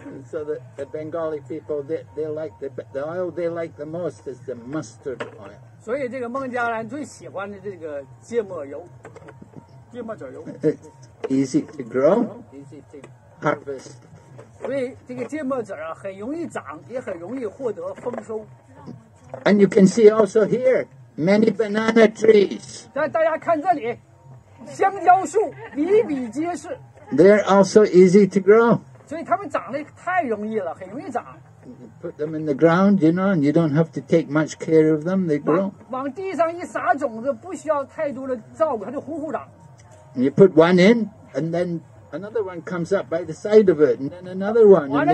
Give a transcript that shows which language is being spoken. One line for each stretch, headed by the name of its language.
English: So the Bengali people they like the oil they like the most is the mustard oil.
Chinese: 所以这个孟加拉人最喜欢的这个芥末油，芥末籽油。
English: Easy to grow, easy to harvest.
Chinese: 所以这个芥末籽啊，很容易长，也很容易获得丰收。
English: And you can see also here many banana trees.
Chinese: 大家看这里。香蕉树比比皆是。
English: They're also easy to grow.
Chinese: 所以它们长得太容易了，很容易长。
English: Put them in the ground, you know, and you don't have to take much care of them. They grow.
Chinese: 往地上一撒种子，不需要太多的照顾，它就呼呼长。
English: You put one in, and then another one comes up by the side of it, and then another one.